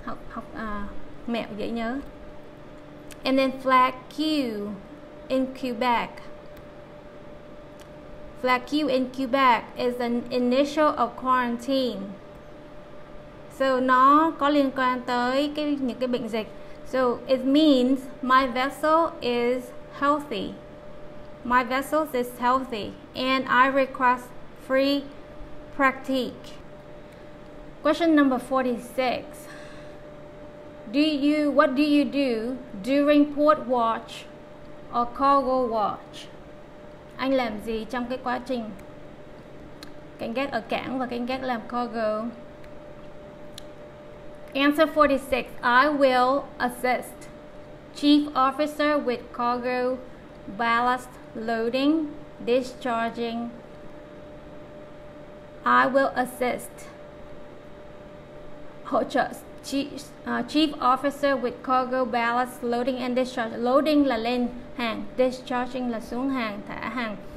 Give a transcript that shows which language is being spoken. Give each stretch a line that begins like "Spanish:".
Vietnamese: Học mẹo dễ nhớ.
English: And then flag Q in Quebec. Flag Q in Quebec is an initial of quarantine.
Vietnamese: So nó có liên quan tới những cái bệnh dịch.
English: So it means my vessel is healthy. My vessel is healthy and I request free practique. Question number 46. What do you do during port watch or cargo watch?
Vietnamese: Anh làm gì trong cái quá trình canh gác ở cảng và canh gác làm cargo?
English: Answer 46. I will assist chief officer with cargo ballast loading, discharging. I will assist.
Vietnamese: Hỗ trợ
English: chief officer with cargo ballast loading and discharge.
Vietnamese: Loading là lên hàng, discharging là xuống hàng, thả hàng.